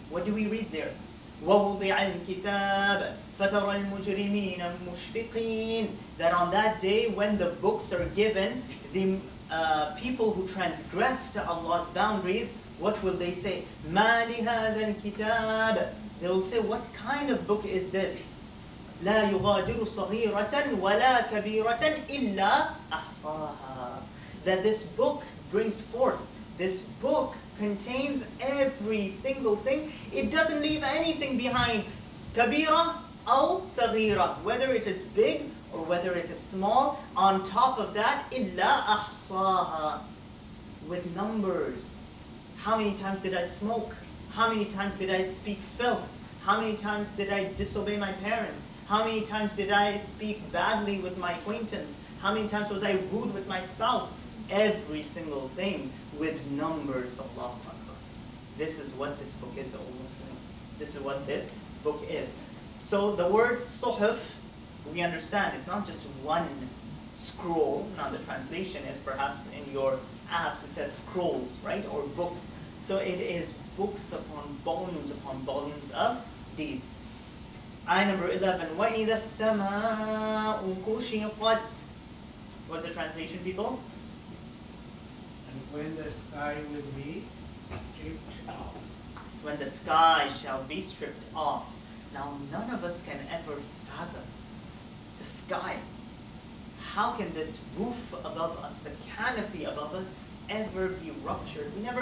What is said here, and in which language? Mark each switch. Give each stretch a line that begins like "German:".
English: What do we read there?
Arabic: وَوُضِعَ الْكِتَابَ فَتَرَى الْمُجْرِمِينَ مُشْفِقِينَ.
English: That on that day when the books are given, the people who transgressed Allah's boundaries, what will they say?
Arabic: مَا لِهَذَا الْكِتَابَ.
English: They will say, what kind of book is this?
Arabic: لا يغادر صغيرة ولا كبيرة إلا أحصاها.
English: That this book brings forth, this book contains every single thing. It doesn't leave anything behind.
Arabic: كبيرة أو صغيرة.
English: Whether it is big or whether it is small, on top of that,
Arabic: إلا أحصاها.
English: With numbers. How many times did I smoke? How many times did I speak filth? How many times did I disobey my parents? How many times did I speak badly with my acquaintance? How many times was I rude with my spouse? Every single thing with numbers, Allahu Akbar. This is what this book is, O Muslims. This is what this book is. So the word suhuf, we understand, it's not just one scroll. Now the translation is perhaps in your apps, it says scrolls, right? Or books. So it is books upon volumes of deeds. Ayah number 11,
Arabic: وَإِذَا السَّمَاءُ كُشِطَتْ.
English: What's the translation, people? And when the sky will be stripped off. When the sky shall be stripped off. Now, none of us can ever fathom the sky. How can this roof above us, the canopy above us, ever be ruptured?